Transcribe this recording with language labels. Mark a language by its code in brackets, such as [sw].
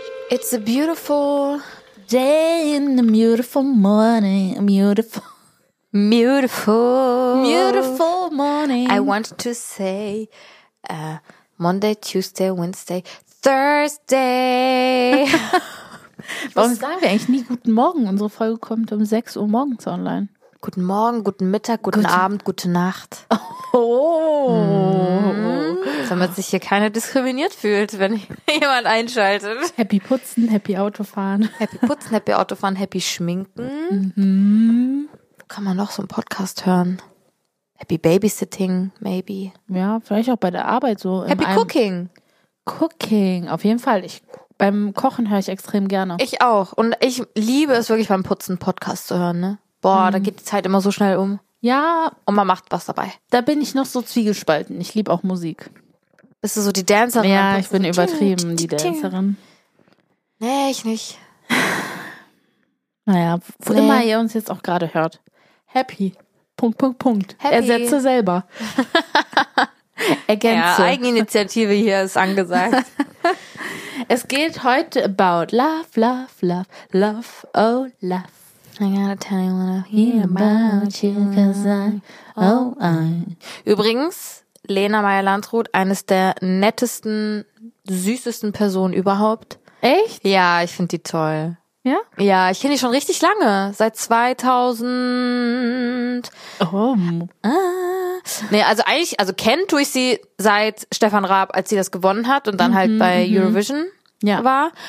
[en] It's a beautiful day in the beautiful morning. Beautiful morning. I want to say Monday, Tuesday, Wednesday, Thursday. [de] Warum sagen wir eigentlich nie guten Morgen? Unsere Folge kommt um 6 Uhr morgens online. Guten Morgen, guten Mittag, guten Abend, gute Nacht. Oh. Damit sich hier keiner diskriminiert fühlt, wenn jemand einschaltet. Happy Putzen, Happy Autofahren. Happy Schminken. Mhm. Kann man noch so einen Podcast hören? [en] Happy Babysitting, maybe. [de] Ja, vielleicht auch bei der Arbeit so. [en] Happy Cooking. [de] Cooking, auf jeden Fall. Beim Kochen höre ich extrem gerne. Ich auch. Und ich liebe es wirklich beim Putzen Podcast zu hören, ne? Boah, da geht die Zeit immer so schnell um. Ja. Und man macht was dabei. Da bin ich noch so zwiegespalten. Ich liebe auch Musik. Bist du so die Dancerin? Ja, ich bin übertrieben die Dancerin. Nee, ich nicht. Naja, wo immer ihr uns jetzt auch gerade hört. Happy. Punkt, Punkt, Punkt. Happy. Ersetze selber. Ergänze. Ja, Eigeninitiative hier ist angesagt. Es geht heute [en] about love, love, love, love, oh love. I gotta tell you what I hear about you, cause I, oh I. [de] Übrigens, Lena Meyer-Landrut, eines der nettesten, süßesten Personen überhaupt. Echt? Ja, ich finde die toll. Ja? Ja, ich kenne die schon richtig lange. Seit 2000. Nee, also eigentlich, also kennt tue ich sie seit Stefan Raab, als sie das gewonnen hat und dann halt bei Eurovision war.